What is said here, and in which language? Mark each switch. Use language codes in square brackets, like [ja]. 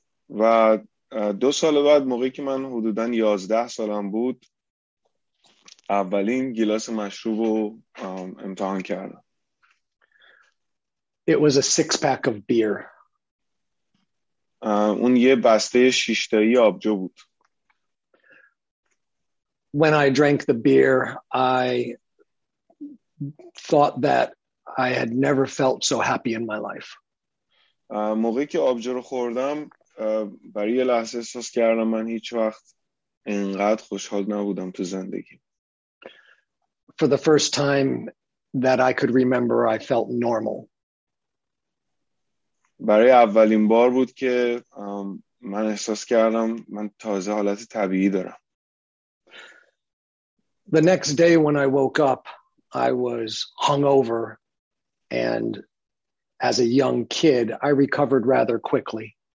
[fa] و 2 سال بعد موقعی که من حدوداً 11 سالم بود اولین گلاس مشروب رو امتحان کردم. [en] It was a six pack of beer. [fa] اون یه بسته شیشتایی آبجو بود. [en] When I drank the beer, I thought that I had never felt so happy in my life. [fa] موقعی که آبجو رو خوردم برای یه لحظه احساس کردم من هیچ وقت اینقدر خوشحال نبودم تو زندگی. [en] For the first time that I could remember, I felt normal. [fa] برای اولین بار بود که من احساس کردم من تازه حالت طبیعی دارم. [en] The next day when I woke up, I was hungover, and as a young kid, I recovered rather quickly.